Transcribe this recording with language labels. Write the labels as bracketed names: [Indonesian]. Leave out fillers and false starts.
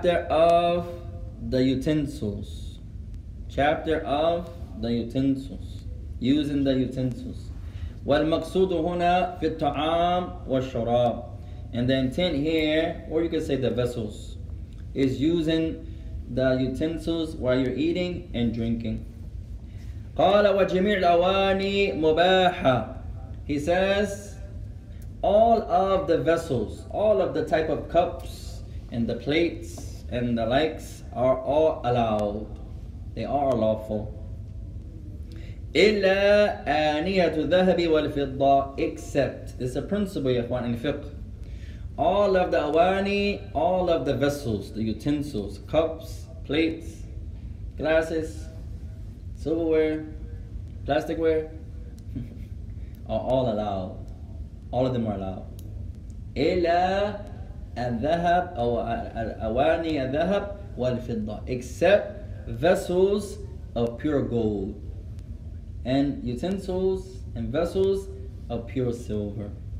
[English] of the utensils chapter of the utensils using the utensils [Arabic] والمقصود هنا في الطعام والشراب [English] and the intent here or you can say the vessels is using the utensils while you're eating and drinking. [Arabic] قال وجميع الأواني مباحة. [English] He says, all of the vessels, all of the type of cups and the plates and the likes are all allowed. They are lawful. [Arabic] إلا آنية الذهب والفضة [English] except. It's a principle, إخوان in fiqh. All of the awani, all of the vessels, the utensils, cups, plates, glasses, silverware, plasticware are all allowed. All of them are allowed. [Arabic] Illa al-dhahab aw al-awani al-dhahab wal-fidda, [English] except vessels of pure gold and utensils and vessels of pure silver.